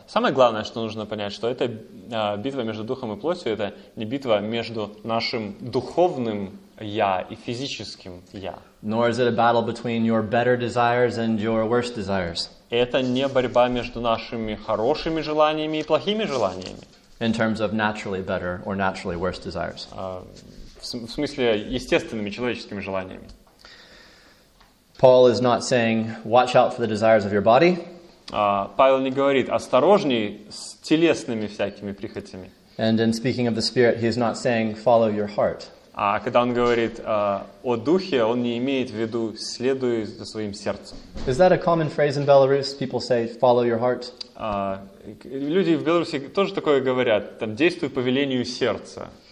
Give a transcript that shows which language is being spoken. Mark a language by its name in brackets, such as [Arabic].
[Russian] Самое главное, что нужно понять, что это битва между духом и плотью, это не битва между нашим духовным я и физическим я. [English] Nor is it a battle between your better desires and your worse desires. [Russian] Это не борьба между нашими хорошими желаниями и плохими желаниями. [English] In terms of naturally better or naturally worse desires. [Russian] В смысле естественными человеческими желаниями. [English] Paul is not saying watch out for the desires of your body. [Russian] Павел не говорит осторожней с телесными всякими прихотями. [English] And in speaking of the spirit, he is not saying follow your heart. [Russian] А когда он говорит о духе, он не имеет в виду следуй за своим сердцем. [English] Is that a common phrase in Belarus? People say follow your heart. [Russian] Люди в Беларуси тоже такое говорят, там действуй по велению сердца.